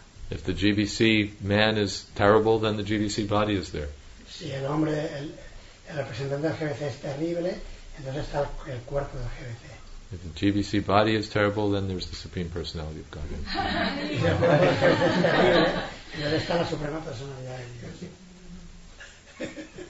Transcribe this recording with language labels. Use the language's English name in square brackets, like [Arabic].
[English] If the GBC man is terrible, then the GBC body is there. [Spanish] Si el hombre, el representante del GBC es terrible, entonces está el cuerpo del GBC. [English] If the GBC body is terrible, then there's the Supreme Personality of God. [Spanish] Si el cuerpo del GBC es terrible, entonces está la suprema personalidad de Dios.